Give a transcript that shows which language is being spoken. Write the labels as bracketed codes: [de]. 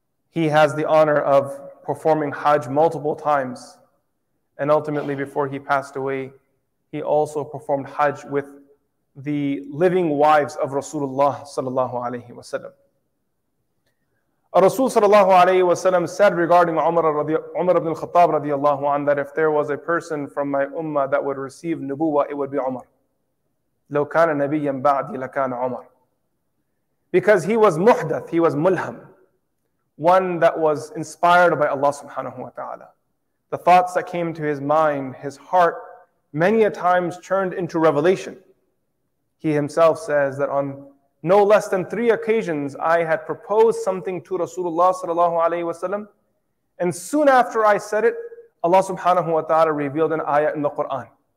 [en] He has the honor of performing Hajj multiple times, and ultimately before he passed away, he also performed Hajj with the living wives of Rasulullah sallallahu alayhi wa sallam. Rasul sallallahu alayhi wa sallam said regarding Umar ibn al-Khattab radiallahu anhu that if there was a person from my ummah that would receive nubuwa, it would be Umar. [ar] لو كان نبيا بعدي لكان عمر. [en] Because he was muhdath, he was mulham, one that was inspired by Allah subhanahu wa ta'ala. The thoughts that came to his mind, his heart, many a times turned into revelation. He himself says that on no less than three occasions, I had proposed something to Rasulullah sallallahu alayhi wa sallam, and soon after I said it, Allah subhanahu wa ta'ala revealed an ayah in the Quran.